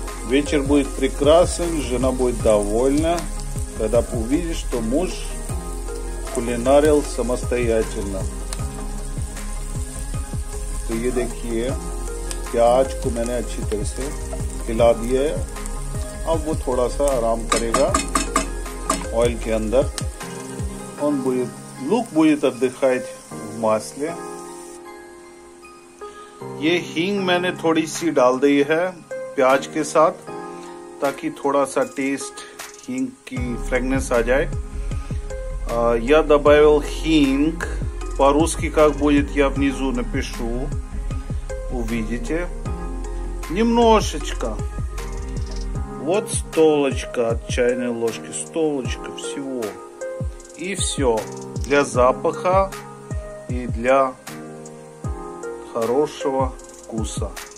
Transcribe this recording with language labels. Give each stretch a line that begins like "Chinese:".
Russian: Вечер будет прекрасен, жена будет довольна, когда увидит, что муж кулинарил самостоятельно.
Hindi: То ये देखिए, प्याज को मैंने अच्छी तरह से हिला दिया है, अब वो थोड़ा सा आराम करेगा ऑयल के अंदर,
Russian: он будет, лук будет отдыхать в масле.
Hindi: ये हींग मैंने थोड़ी सी डाल दी है प्याज के साथ, ताकि थोड़ा सा टेस्ट हींग की फ्रेगनेंस आ जाए।
Russian: Я добавил хинг. По-русски как будет, я внизу напишу. Увидите. Немножечко. Вот столочка от чайной ложки. Столочка всего. И все. Для запаха и для хорошего вкуса.